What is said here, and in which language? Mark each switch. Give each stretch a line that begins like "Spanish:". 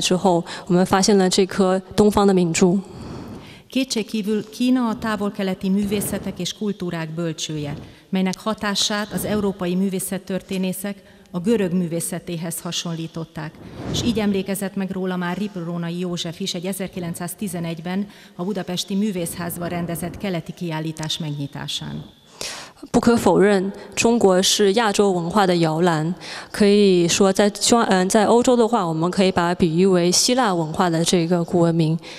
Chinese: 在欧洲的话，我们是从17世纪开始关注到中国的文化，惊叹于它的神秘性，尤其是在文艺复兴时代之后，我们发现了这颗东方的明珠。
Hungarian: Kétségkívül Kína a távol-keleti művészetek és kultúrák bölcsője, melynek hatását az európai művészettörténészek a görög művészetéhez hasonlították, és így emlékezett meg róla már Ripronai József is egy 1911-ben a budapesti művészházban rendezett keleti kiállítás megnyitásán.
Chinese: 不可否认，中国是亚洲文化的摇篮。可以说，在欧洲的话，我们可以把它比喻为希腊文化的这个国民。